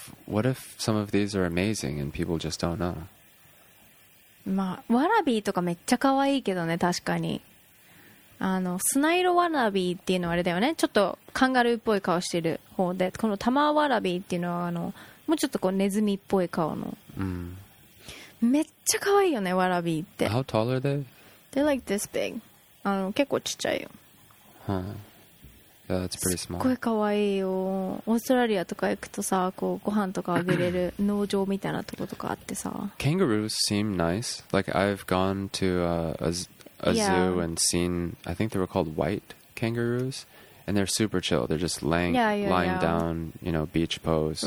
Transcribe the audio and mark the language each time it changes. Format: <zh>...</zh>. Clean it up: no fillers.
<en>What if some of these are amazing and people just don't know?</en> <ja>まあワラビーとかめっちゃ可愛いけどね確かに。砂色ワラビーっていうのはあれだよね。ちょっとカンガルーっぽい顔してる方で、このタマワラビーっていうのはもうちょっとこうネズミっぽい顔の。 Mm. めっちゃ可愛いよねワラビーって。</ja> <en>How tall are they? They're like this big.</en> <ja>結構ちっちゃいよ。</ja> <en>Huh. Yeah, that's pretty small.</en> <ja>すっごいかわいいよ。オーストラリアとか行くとさ、こうご飯とかあげれる農場みたいなとことかあってさ。</ja> <en>Kangaroos seem nice. Like I've gone to a zoo and seen, I think they were called white kangaroos, and they're super chill. They're just lying down, you know, beach pose.</en>